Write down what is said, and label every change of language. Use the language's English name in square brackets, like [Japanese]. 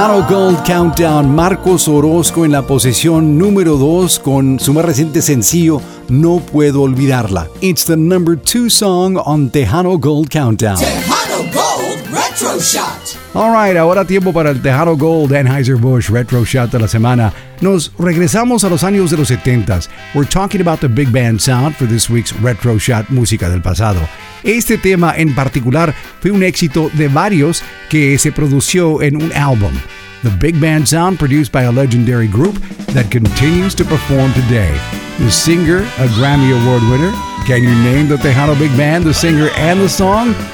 [Spanish] Gold Countdown, Marcos Orozco en la posición número 2 con su más reciente sencillo, No Puedo Olvidarla. [English] It's the number 2 song on Tejano Gold Countdown. Tejano Gold Retro Shot. All right, [Spanish] ahora tiempo para el Tejano Gold Anheuser-Busch Retro Shot de la semana. Nos regresamos a los años de los 70s. [English] We're talking about the big band sound for this week's Retro Shot [Spanish] Música del Pasado. Este tema en particular fue un éxito de varios que se produjo en un álbum. [English] The big band sound produced by a legendary group that continues to perform today. The singer, a Grammy Award winner. Can you name the Tejano Big Band, the singer, and the song?